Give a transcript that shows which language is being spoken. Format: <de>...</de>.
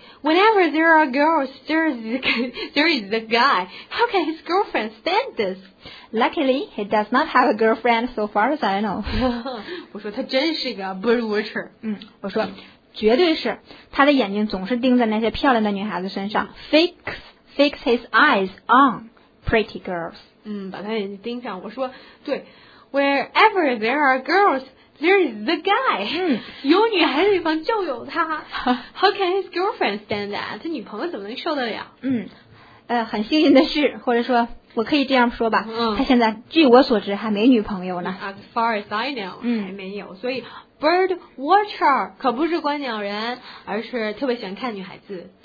<en>Whenever there are girls, there is the guy. How can his girlfriend stand this? Luckily, he does not have a girlfriend so far as I know.</en> <zh>我说他真是个</zh> <en>bird watcher.</en> <zh>我说绝对是，他的眼睛总是盯在那些漂亮的女孩子身上。</zh> <en>Fix his eyes on pretty girls.</en> <zh>把他眼睛盯上。我说对</zh> <en>，wherever there are girls, there is the guy.</en> <zh>有女孩子地方就有他。</zh> <en>How can his girlfriend stand that?</en> <zh>他女朋友怎么能受得了？很幸运的是，或者说。我可以这样说吧，他现在据我所知还没女朋友呢。</zh> <en>As far as I know，</en> <zh>还没有。所以</zh> <en>bird watcher</en> <zh>可不是观鸟人，而是特别喜欢看女孩子，</zh>